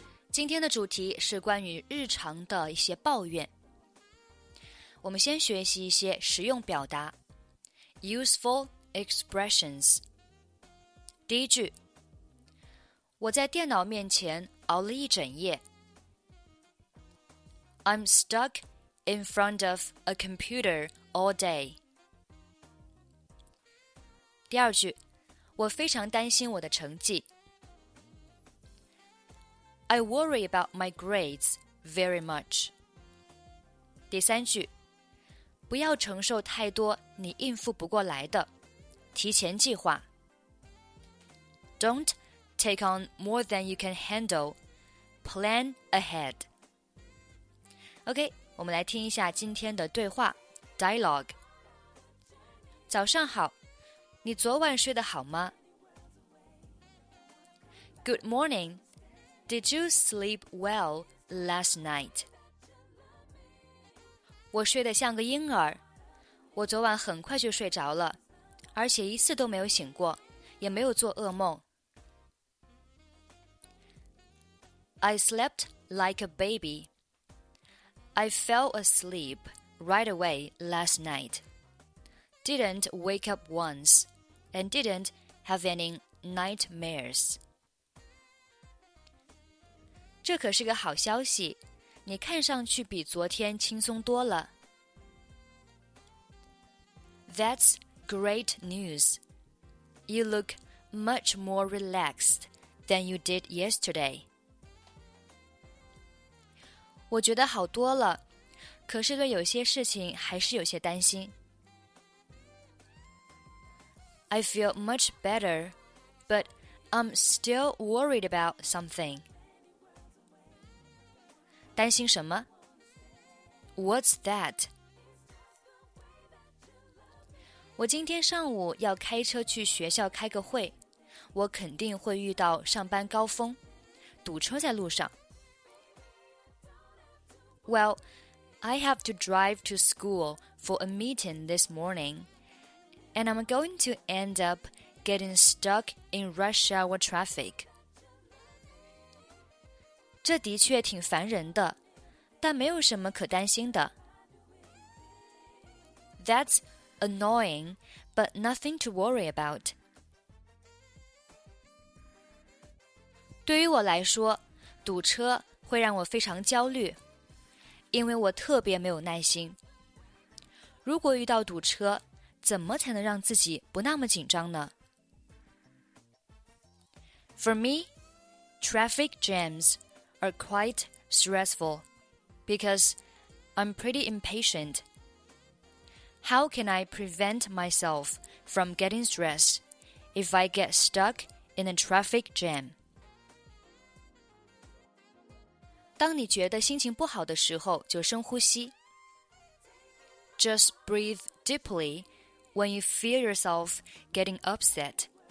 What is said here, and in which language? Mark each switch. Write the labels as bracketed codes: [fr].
[zh] 今天的主题是关于日常的一些抱怨。我们先学习一些实用表达。 [en] Useful expressions. [zh] 第一句，我在电脑面前熬了一整夜。 [en] I'm stuck in front of a computer all day. [zh] 第二句，我非常担心我的成绩。 [en] I worry about my grades very much. [zh] 第三句，不要承受太多你应付不过来的，提前计划。 [en] Don't take on more than you can handle. Plan ahead. OK, [zh] 我们来听一下今天的对话 [en] Dialogue [zh] 早上好你昨晚睡得好吗 [en] Good morning Did you sleep well last night? [zh] 我睡得像个婴儿我昨晚很快就睡着了而且一次都没有醒过也没有做噩梦 [en] I slept like a babyI fell asleep right away last night. Didn't wake up once, and didn't have any nightmares. [zh] 这可是个好消息，你看上去比昨天轻松多了。 [en] That's great news. You look much more relaxed than you did yesterday. [zh] 我觉得好多了，可是对有些事情还是有些担心。 [en] I feel much better, but I'm still worried about something. [zh] 担心什么 [en] ？What's that? [zh] 我今天上午要开车去学校开个会，我肯定会遇到上班高峰，堵车在路上。 [en] Well, I have to drive to school for a meeting this morning, and I'm going to end up getting stuck in rush hour traffic. [zh] 这的确挺烦人的，但没有什么可担心的。 [en] That's annoying, but nothing to worry about. [zh] 对于我来说，堵车会让我非常焦虑。因为我特别没有耐心。如果遇到堵车，怎么才能让自己不那么紧张呢 [en] ？For me, traffic jams are quite stressful because I'm pretty impatient. How can I prevent myself from getting stressed if I get stuck in a traffic jam? [zh] 当你觉得心情不好的时候，就深呼吸。 [en] Just breathe deeply when you feel yourself getting upset.